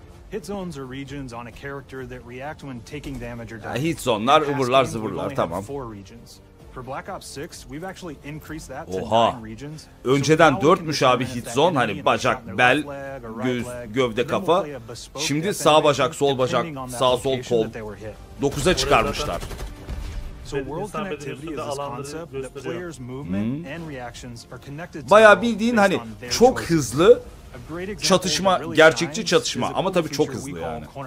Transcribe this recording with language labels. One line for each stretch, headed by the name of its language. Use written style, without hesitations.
English: Hit zones are regions on a character that react when taking damage or die.
Turkish: Hit zone'lar ıvırlar zıvırlar tamam.
English: For Black Ops 6, we've actually increased that to 9 regions.
Turkish: Önceden 4'müş abi hit zone hani bacak, bel, göğüs, gövde, kafa. Şimdi sağ bacak, sol bacak, sağ sol kol. 9'a çıkarmışlar.
English: So world connectivity is this concept that players' movement and reactions are connected.
Turkish: Bayağı bildiğin hani çok hızlı çatışma, gerçekçi çatışma ama tabii çok hızlı yani.